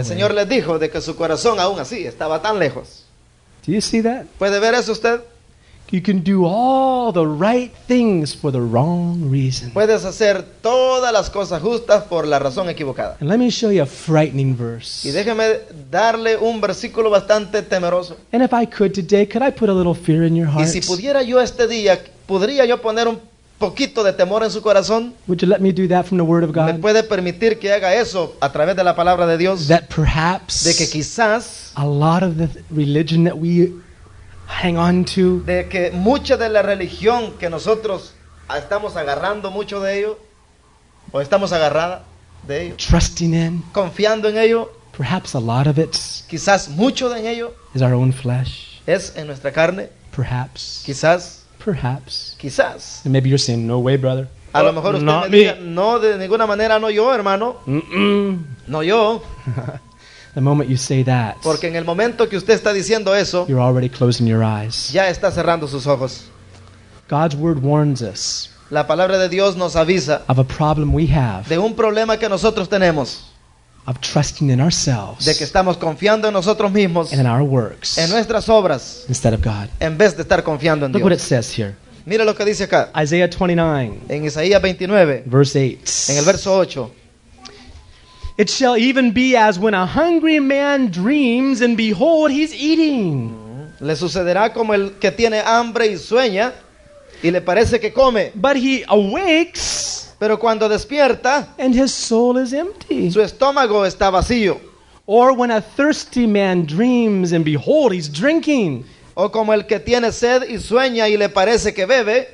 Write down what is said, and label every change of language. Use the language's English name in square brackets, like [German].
[Spanish] El Señor les dijo de que su corazón aún así estaba tan lejos. [English] Do you see that? [Spanish] ¿Puede ver eso usted? [English] You can do all the right things for the wrong reason. [Spanish] Puedes hacer todas las cosas justas por la razón equivocada. [English] And let me show you a frightening verse. [Spanish] Y déjeme darle un versículo bastante temeroso. [English] And if I could today, could I put a little fear in your heart? [Spanish] Y si pudiera yo este día, ¿podría yo poner un poquito de temor en su corazón? [English] Would you let me do that from the word of God? [Spanish] ¿Me puede permitir que haga eso a través de la palabra de Dios? [English] That perhaps, [Spanish] de que quizás, [English] a lot of the religion that we hang on to, [Spanish] de que mucha de la religión que nosotros estamos agarrando mucho de ello, o estamos agarrada de ello, [English] trusting in, [Spanish] confiando en ello, [English] perhaps a lot of it, [Spanish] quizás mucho de ello, [English] is our own flesh, [Spanish] es en nuestra carne, [English] perhaps, [Spanish] quizás, [English] perhaps, [Spanish] quizás, [English] and maybe you're saying, no way, brother, [Spanish] a lo mejor usted [English] not [Spanish] me diga, [English] me. [Spanish] No, de ninguna manera, no yo, hermano, mm-mm. No yo. [English] The moment you say that, [Spanish] porque en el momento que usted está diciendo eso, [English] you're already closing your eyes. [Spanish] Ya está cerrando sus ojos. [English] God's word warns us. [Spanish] La palabra de Dios nos avisa. [English] Of a problem we have. [Spanish] De un problema que nosotros tenemos. [English] Of trusting in ourselves. [Spanish] De que estamos confiando en nosotros mismos. [English] And in our works. [Spanish] En nuestras obras. [English] Instead of God. [Spanish] En vez de estar confiando en [English] Look [Spanish] Dios. [English] Look what it says here. [Spanish] Mira lo que dice acá. [English] Isaiah 29. [Spanish] En Isaías 29. [English] Verse 8. [Spanish] En el verso 8. [English] It shall even be as when a hungry man dreams and behold, he's eating. [Spanish] Le sucederá como el que tiene hambre y sueña y le parece que come. [English] But he awakes. [Spanish] Pero cuando despierta, [English] and his soul is empty. [Spanish] Su estómago está vacío. [English] Or when a thirsty man dreams and behold, he's drinking. [Spanish] O como el que tiene sed y sueña y le parece que bebe.